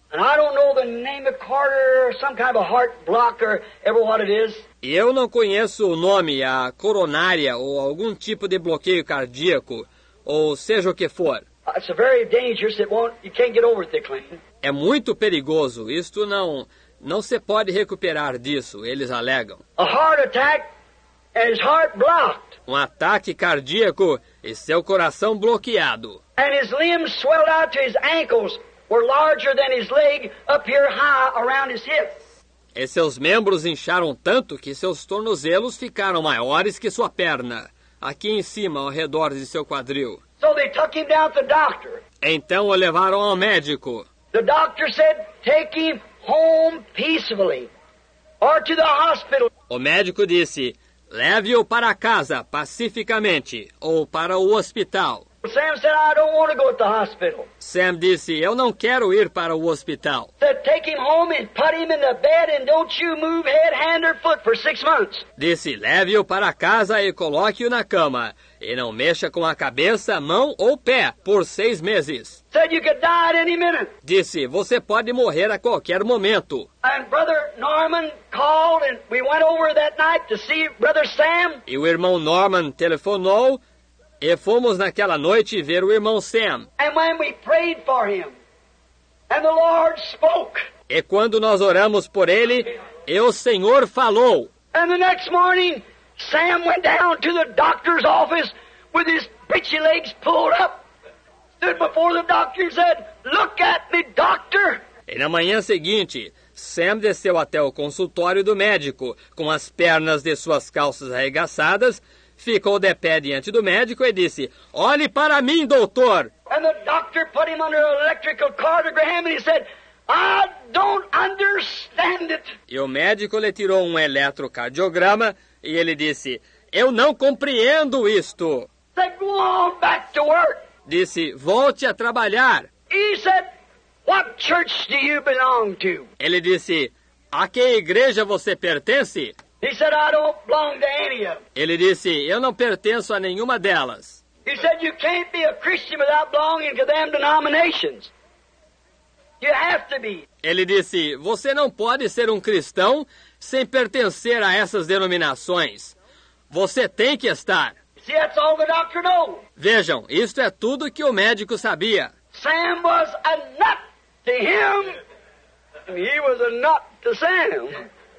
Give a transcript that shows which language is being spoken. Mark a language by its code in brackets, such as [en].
[en] And I don't know the name of Carter, some kind of a heart block or ever what it is. [pt] E eu não conheço o nome, a coronária ou algum tipo de bloqueio cardíaco ou seja o que for. [en] It's a very dangerous. You can't get over it, they claim. [pt] É muito perigoso. Isto não se pode recuperar disso, eles alegam. [en] A heart attack and his heart blocked. [pt] Um ataque cardíaco e seu coração bloqueado. [en] And his limbs swelled out to his ankles. Were larger than his leg up here high around his hips. [pt] E seus membros incharam tanto que seus tornozelos ficaram maiores que sua perna, aqui em cima, ao redor de seu quadril. [en] So they took him down to the doctor. [pt] Então o levaram ao médico. [en] The doctor said, take him home peacefully, or to the hospital. [pt] O médico disse, leve-o para casa, pacificamente, ou para o hospital. [en] Sam said, I don't want to go to the hospital. [pt] Sam disse, eu não quero ir para o hospital. [en] Said, take him home and put him in the bed and don't you move head, hand or foot for 6 months. [pt] Disse, leve-o para casa e coloque-o na cama. E não mexa com a cabeça, mão ou pé por 6 meses. [en] Said, you could die at any minute. [pt] Disse, você pode morrer a qualquer momento. [en] And brother Norman called and we went over that night to see brother Sam. [pt] E o irmão Norman telefonou. E fomos naquela noite ver o irmão Sam. [en] And when we prayed for him, and the Lord spoke. [pt] E quando nós oramos por ele, e o Senhor falou. [en] And the next morning, Sam went down to the doctor's office with his bitchy legs pulled up. Stood before the doctor and said, look at me, doctor. [pt] E na manhã seguinte, Sam desceu até o consultório do médico, com as pernas de suas calças arregaçadas, ficou de pé diante do médico e disse, olhe para mim, doutor. [en] And the doctor put him under an electrical cardiogram and he said, I don't understand it. [pt] E o médico lhe tirou um eletrocardiograma e ele disse, eu não compreendo isto. [en] Said, go on back to work. [pt] Disse, volte a trabalhar. [en] He said, what church do you belong to? [pt] Ele disse, a que igreja você pertence? [en] He said, I don't belong to any of them. [pt] Ele disse, eu não pertenço a nenhuma delas. [en] He said, you can't be a Christian without belonging to them denominations. You have to be. [pt] Ele disse, você não pode ser um cristão sem pertencer a essas denominações. Você tem que estar. [en] See, that's all the doctor knows. [pt] Vejam, isto é tudo que o médico sabia. [en] Sam was a nut to him, and he was a nut to Sam.